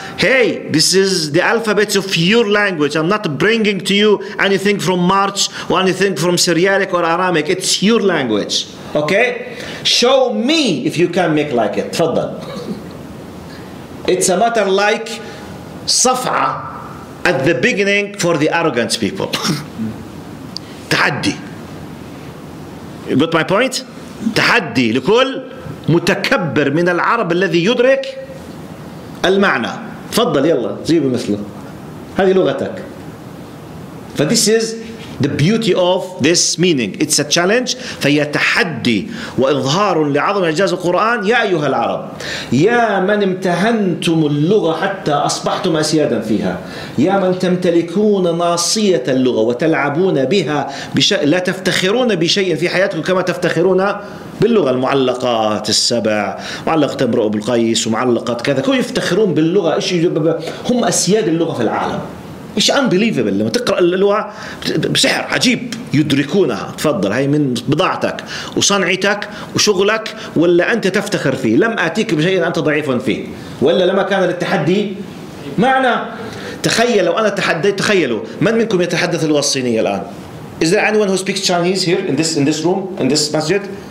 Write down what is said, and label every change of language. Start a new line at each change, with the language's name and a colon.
English: Hey, this is the alphabets of your language. I'm not bringing to you anything from March or anything from Syriac or Aramaic. It's your language. Okay? Show me if you can make like it.
Arabic: Tfaddal.
English: It's a matter like Safa at the beginning for the arrogant people.
Arabic: تحدي.
English: You got my point?
Arabic: تحدي لكل متكبر من العرب الذي يدرك المعنى. تفضل يلا جيب مثله. هذه لغتك.
English: But this is the beauty of this meaning. It's a challenge.
Arabic: فهي تحدي وإظهار لعظم إعجاز القرآن. يا أيها العرب. يا من امتهنتم اللغة حتى أصبحتم أسيادا فيها. يا من تمتلكون ناصية اللغة وتلعبون بها لا تفتخرون بشيء في حياتكم كما تفتخرون باللغة. المعلقات السبع, معلقة امرؤ بالقيس, ومعلقة كذا. كيف يفتخرون باللغة؟ هم أسياد اللغة في العالم. مش unbelievable لما تقرأ اللغة بسحر عجيب يدركونها. تفضل, هاي من بضاعتك وصنعتك وشغلك ولا أنت تفتخر فيه. لم أتيك بشيء أنت ضعيف فيه, ولا لما كان للتحدي معنى. تخيل لو أنا تحديت, تخيلوا من منكم يتحدث اللغة الصينية الآن؟
English: Is there anyone who speaks Chinese here in this room, in this masjid?